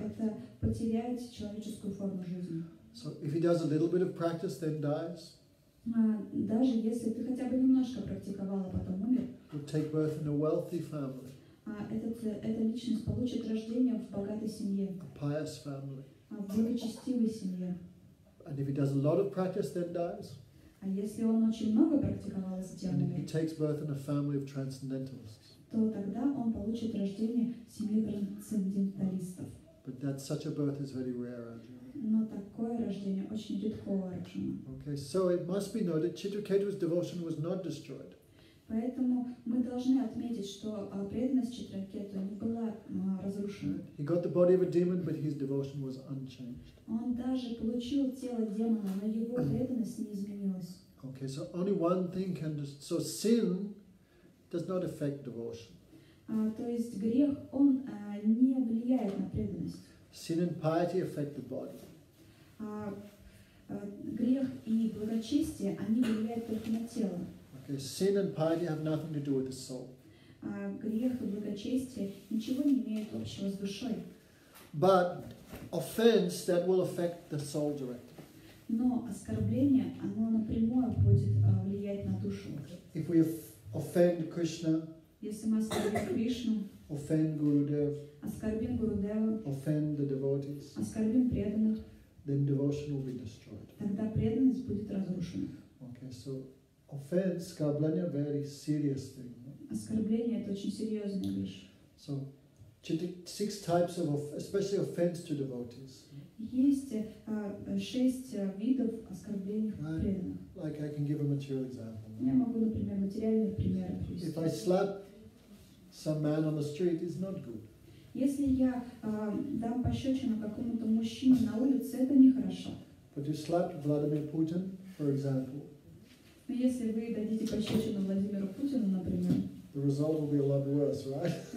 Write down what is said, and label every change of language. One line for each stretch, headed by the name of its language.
Russian: Это потерять человеческую форму жизни.
English: So if he does a little bit of practice, then dies.
Russian: Даже если ты хотя бы немножко практиковал, а потом умер.
English: Would take birth in a wealthy family.
Russian: Эта личность получит рождение в богатой семье.
English: A pious family.
Russian: В благочестивой семье.
English: And if he does a lot of practice, then dies.
Russian: А если он очень много практиковал с демонами,
English: he takes birth in a family of transcendentalists.
Russian: То тогда он получит рождение в семье трансценденталистов.
English: But that such a birth is very rare, Arjuna.
Russian: Но такое рождение очень редко, Арджуна.
English: Okay, so it must be noted, Citraketu's devotion was not destroyed.
Russian: Поэтому мы должны отметить, что преданность Читракету не была разрушена.
English: He got the body of a demon, but his devotion was unchanged.
Russian: Он даже получил тело демона, но его преданность не изменилась.
English: Okay, so only one thing can so sin does not affect devotion.
Russian: То есть грех, он не влияет на преданность.
English: Sin and piety affect the body.
Russian: Грех и благочестие, они влияют только на тело.
English: Sin and piety have nothing to do with the soul.
Russian: Грех и благочестие ничего не имеют общего с душой.
English: But offense that will affect the soul directly.
Russian: Но оскорбление, оно напрямую будет влиять на душу.
English: If we offend Krishna,
Russian: если мы оскорбим Кришну,
English: offend Gurudev,
Russian: оскорбим Гурудева,
English: offend the devotees,
Russian: оскорбим преданных,
English: then devotion will be destroyed.
Russian: Тогда преданность будет разрушена.
English: Okay, so offense,
Russian: оскорбление,
English: very serious thing.
Russian: Оскорбление — это очень серьезная вещь.
English: So, six types of, especially offense to devotees.
Russian: Есть шесть видов оскорблений преданных.
English: Like I can give a material example.
Russian: Я могу, например, материальный пример привести.
English: If I slap some man on the street, it's not good.
Russian: Если я дам пощечину какому-то мужчине на улице, это нехорошо.
English: But you slap Vladimir Putin, for example.
Russian: Если вы дадите пощечину Владимиру Путину, например,
English: the result will be a lot worse, right?